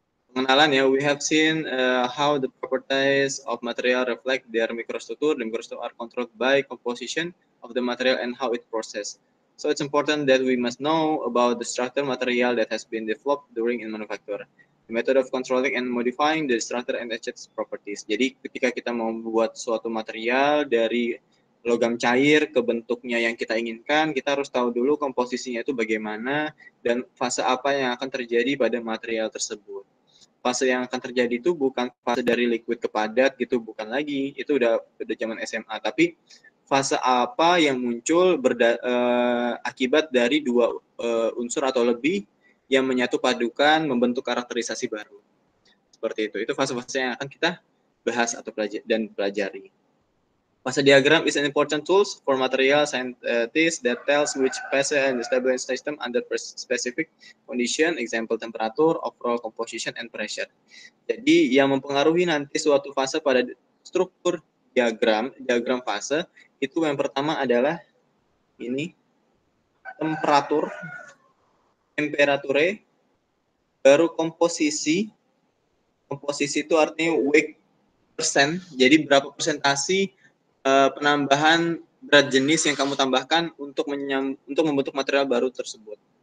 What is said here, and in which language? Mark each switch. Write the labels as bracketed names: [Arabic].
[Indonesian] Pengenalan ya, [English] we have seen how the properties of material reflect their microstructure. The microstructure are controlled by composition of the material and how it process. So it's important that we must know about the structure material that has been developed during in manufacture. The method of controlling and modifying the structure and its properties. [Indonesian] Jadi ketika kita mau membuat suatu material dari logam cair ke bentuknya yang kita inginkan, kita harus tahu dulu komposisinya itu bagaimana dan fase apa yang akan terjadi pada material tersebut. Fase yang akan terjadi itu bukan fase dari liquid ke padat gitu, bukan lagi, itu udah zaman SMA, tapi fase apa yang muncul akibat dari dua unsur atau lebih yang menyatu padukan membentuk karakterisasi baru. Seperti itu fase-fase yang akan kita bahas atau pelajari. [English] Fase diagram is an important tool for material scientists that tells which phase and the stabilization system under specific condition, example temperature, overall composition, and pressure. [Indonesian] Jadi yang mempengaruhi nanti suatu fase pada struktur diagram fase, itu yang pertama adalah ini, temperature, baru komposisi itu artinya weight persen, jadi berapa persentasi penambahan berat jenis yang kamu tambahkan untuk membentuk material baru tersebut.